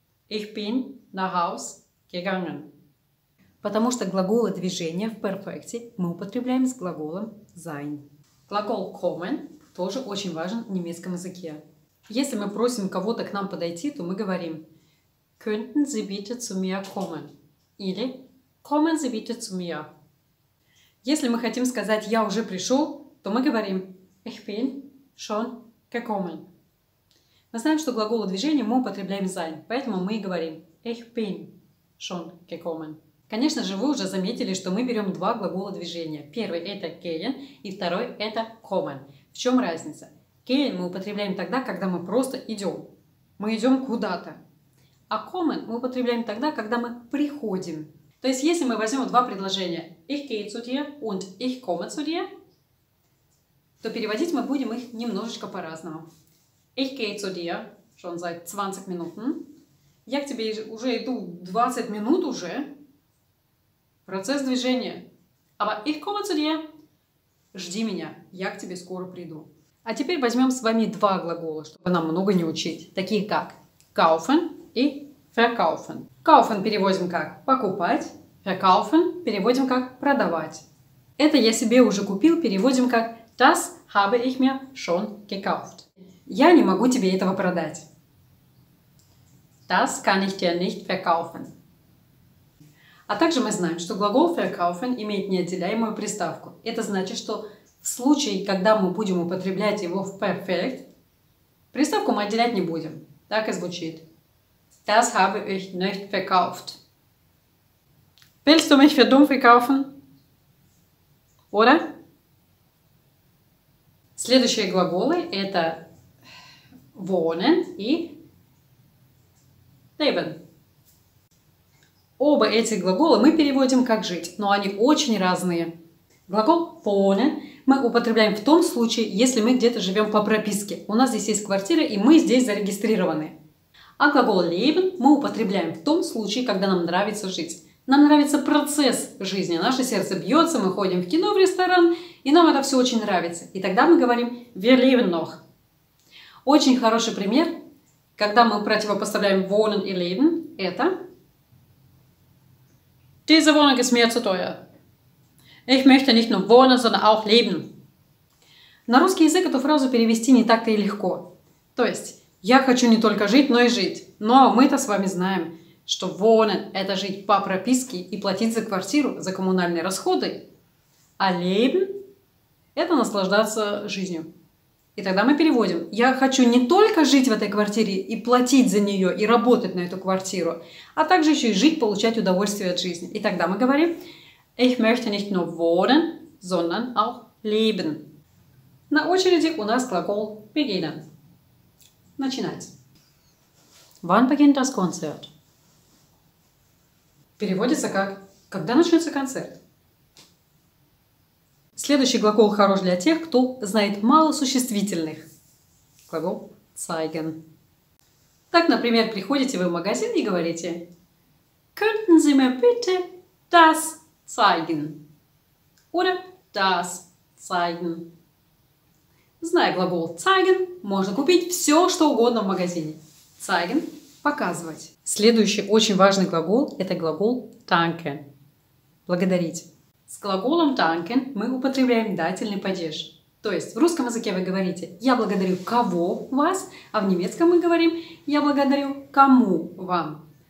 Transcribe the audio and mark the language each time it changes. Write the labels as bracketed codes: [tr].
[de] «Ich bin nach Hause gegangen». [ru] Потому что глаголы движения в перфекте мы употребляем с глаголом «sein». Глагол «kommen» тоже очень важен в немецком языке. Если мы просим кого-то к нам подойти, то мы говорим [de] «Könnten Sie bitte zu mir kommen?» [ru] или [de] «Kommen Sie bitte zu mir?». [ru] Если мы хотим сказать «я уже пришел», то мы говорим [de] «Ich bin schon gekommen». [ru] Мы знаем, что глаголы движения мы употребляем «sein», поэтому мы и говорим [de] «Ich bin schon gekommen». [ru] Конечно же, вы уже заметили, что мы берем два глагола движения. Первый – это «gehen», и второй – это «kommen». В чем разница? «Gehen» мы употребляем тогда, когда мы просто идем. Мы идем куда-то. А «kommen» мы употребляем тогда, когда мы приходим. То есть, если мы возьмем два предложения [de] «Ich gehe zu dir» [ru] und «Ich komme zu dir», то переводить мы будем их немножечко по-разному. [de] «Ich gehe zu dir» schon seit 20 Minuten. [ru] «Я к тебе уже иду 20 минут уже». Процесс движения. [de] Aber «Ich komme zu dir» [ru] – «Жди меня, я к тебе скоро приду». А теперь возьмем с вами два глагола, чтобы нам много не учить. Такие как «kaufen» и «verkaufen». Kaufen переводим как «покупать», verkaufen переводим как «продавать». «Это я себе уже купил» переводим как [de] «das habe ich mir schon gekauft». [ru] «Я не могу тебе этого продать». «Das kann ich dir nicht verkaufen». А также мы знаем, что глагол «verkaufen» имеет неотделяемую приставку. Это значит, что в случае, когда мы будем употреблять его в «perfekt», приставку мы отделять не будем. Так и звучит. [de] Das habe ich nicht verkauft. Willst du mich für dumm verkaufen? Oder? [ru] Следующие глаголы – это wohnen и leben. Оба эти глагола мы переводим как «жить», но они очень разные. Глагол «wohnen» мы употребляем в том случае, если мы где-то живем по прописке. У нас здесь есть квартира, и мы здесь зарегистрированы. А глагол «leben» мы употребляем в том случае, когда нам нравится жить. Нам нравится процесс жизни. Наше сердце бьется, мы ходим в кино, в ресторан, и нам это все очень нравится. И тогда мы говорим [de] «wir leben noch». [ru] Очень хороший пример, когда мы противопоставляем «wohnen» и «leben», это [de] «diese Wohnung ist mir zu teuer». Ich möchte nicht nur wohnen, sondern auch leben. [ru] На русский язык эту фразу перевести не так-то и легко. То есть, я хочу не только жить, но и жить. Но мы-то с вами знаем, что wohnen – это жить по прописке и платить за квартиру, за коммунальные расходы. А leben – это наслаждаться жизнью. И тогда мы переводим. Я хочу не только жить в этой квартире и платить за нее, и работать на эту квартиру, а также еще и жить, получать удовольствие от жизни. И тогда мы говорим [de] – Ich möchte nicht nur wohnen, sondern auch leben. [ru] На очереди у нас глагол beginnen. Начинать. [de] Wann beginnt das Konzert? [ru] Переводится как «Когда начнется концерт?». Следующий глагол хорош для тех, кто знает мало существительных. Глагол zeigen. Так, например, приходите вы в магазин и говорите [de] «Könnten Sie mir bitte das zeigen» oder das zeigen. [ru] Зная глагол zeigen, можно купить все, что угодно в магазине. Zeigen – показывать. Следующий очень важный глагол – это глагол danken – благодарить. С глаголом danken мы употребляем дательный падеж. То есть в русском языке вы говорите «я благодарю кого вас», а в немецком мы говорим «я благодарю кому вам».